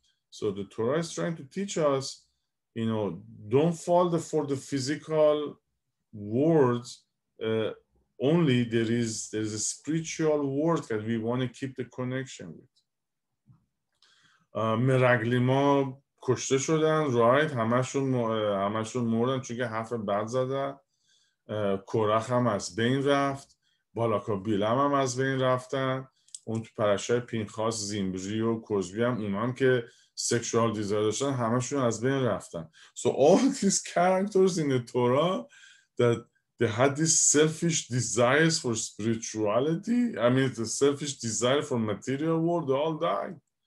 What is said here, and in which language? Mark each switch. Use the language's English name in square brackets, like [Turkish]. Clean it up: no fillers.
[English] So the Torah is trying to teach us, you know, don't fall for the physical world only. There is a spiritual world that we want to keep the connection with. [Persian] مرگلیما کشته شدن، رایت، همشون مردن چون که حرف بد زدن. کورخ هم از بین رفت، بالاک و بیلم هم از بین رفتن، اون تو پرشای پینخاس زیمبری و کزبی هم، اون هم که سکشوال دیزایر داشتن، همشون از بین رفتن. [English] So all these characters in the Torah that they had these selfish desires for spirituality, I mean the selfish desire for material world, they all died.